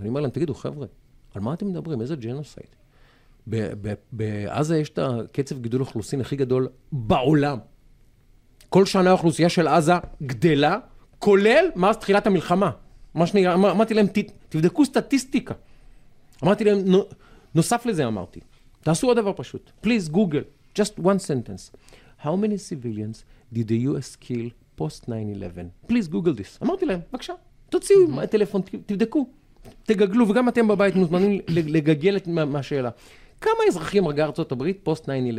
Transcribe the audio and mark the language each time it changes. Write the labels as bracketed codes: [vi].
[he] אני אומר להם, תגידו, חבר'ה, על מה אתם מדברים? איזה ג'נוסייד? בעזה יש את הקצב גידול אוכלוסין הכי גדול בעולם. כל שנה האוכלוסייה של עזה גדלה, כולל מאז תחילת המלחמה. אמרתי להם, תבדקו סטטיסטיקה. אמרתי להם, נוסף לזה אמרתי, תעשו עוד דבר פשוט. [en] Please Google, just one sentence. How many civilians did the US kill post 9/11? Please Google this. [he] אמרתי להם, בבקשה, תוציאו טלפון, תבדקו. תגגלו, וגם אתם בבית מוזמנים לגגל את השאלה. כמה אזרחים הרגה ארצות הברית פוסט 9/11?